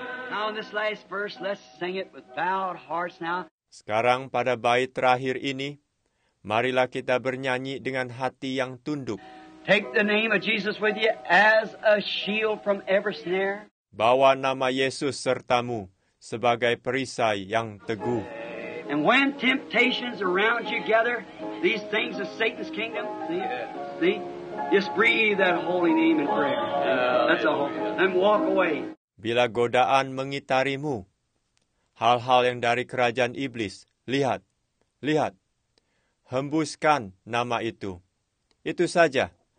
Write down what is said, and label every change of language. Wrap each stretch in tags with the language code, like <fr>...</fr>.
<en>Now in this last verse, let's sing it with bowed hearts now.</en> <id>Sekarang pada bait terakhir ini, marilah kita bernyanyi dengan hati yang tunduk.</id> <en>Take the name of Jesus with you as a shield from every snare.</en> <id>Bawa nama Yesus sertamu sebagai perisai yang teguh.</id> <en>And when temptations around you gather, these things of Satan's kingdom, see, just breathe that holy name in prayer. That's all. And walk away.</en> <id>Bila godaan mengitarimu, hal-hal yang dari kerajaan iblis, lihat, hembuskan nama itu. Itu saja.</id>